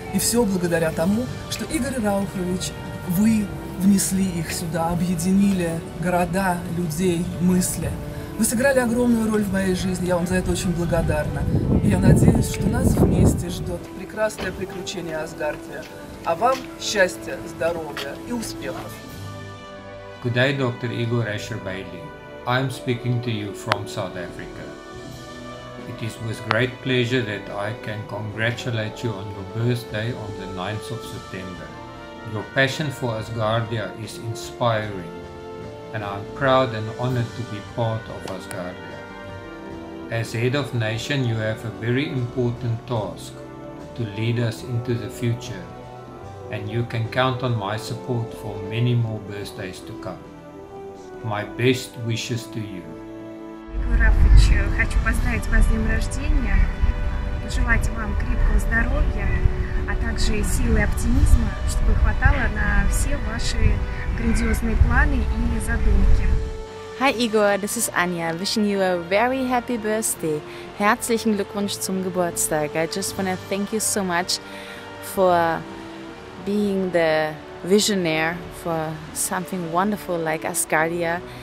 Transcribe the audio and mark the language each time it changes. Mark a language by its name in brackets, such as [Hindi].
[Russian] И все благодаря тому, что Игорь Рауфович, вы внесли их сюда, объединили города, людей, мысли. Вы сыграли огромную роль в моей жизни, я вам за это очень благодарна. И я надеюсь, что нас вместе ждет прекрасное приключение Асгардия. А вам счастья, здоровья и успехов. [English] Good day, Dr. Igor Asher-Bailey. I am speaking to you from South Africa. It is with great pleasure that I can congratulate you on your birthday on the 9th of September. Your passion for Asgardia is inspiring. And I'm proud and honored to be part of Asgardia. As Head of Nation, you have a very important task to lead us into the future, and you can count on my support for many more birthdays to come. My best wishes to you. [Russian] Игорь Рафович, хочу поздравить вас с днем рождения, пожелать вам крепкого здоровья, а также силы и оптимизма, чтобы хватало на все ваши [English] Hi Igor, this is Anya, wishing you a very happy birthday. [German] Herzlichen Glückwunsch zum Geburtstag. [English] I just want to thank you so much for being the visionary for something wonderful like Asgardia.